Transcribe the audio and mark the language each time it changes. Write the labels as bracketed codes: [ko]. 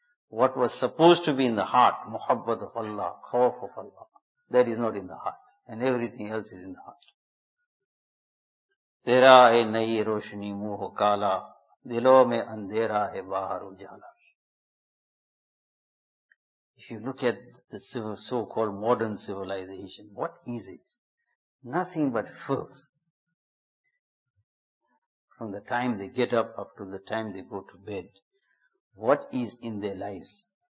[en] What was supposed to be in the heart, محبت of Allah, خوف of Allah, that is not in the heart, and everything else is in the heart. [ur] تیرا اے نئی روشنی منہ کالا، دلوں میں اندھیرا ہے باہر اجالا. [en] If you look at the so-called modern civilization, what is it? Nothing but filth. From the time they get up to the time they go to bed, what is in their lives?